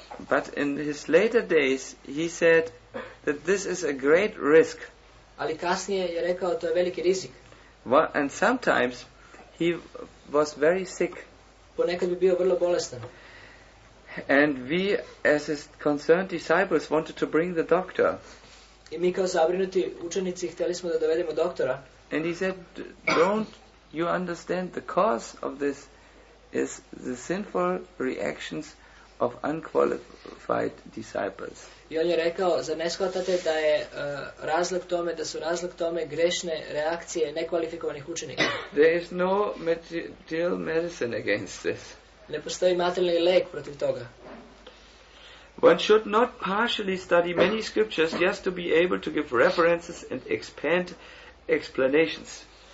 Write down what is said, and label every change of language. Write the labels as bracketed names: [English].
[English] But in his later days, he said that this is a great risk. [Croatian] Ali kasnije je rekao to je veliki rizik. [English] Well, and sometimes he was very sick. [Croatian] Ponekad bi bio vrlo bolestan. [English] And we, as his concerned disciples, wanted to bring the doctor. [Croatian] I mi kao zabrinuti učenici htjeli smo da dovedemo doktora. [English] And he said, don't you understand the cause of this is the sinful reactions of unqualified disciples. [Croatian] I on je rekao, zar ne shvatate da je razlog tome grešne reakcije nekvalifikovanih učenika. [English] There is no material medicine against this. [Croatian] Ne postoji materijalni lek protiv toga. [English] One should not partially study many scriptures just to be able to give references and expand explanations.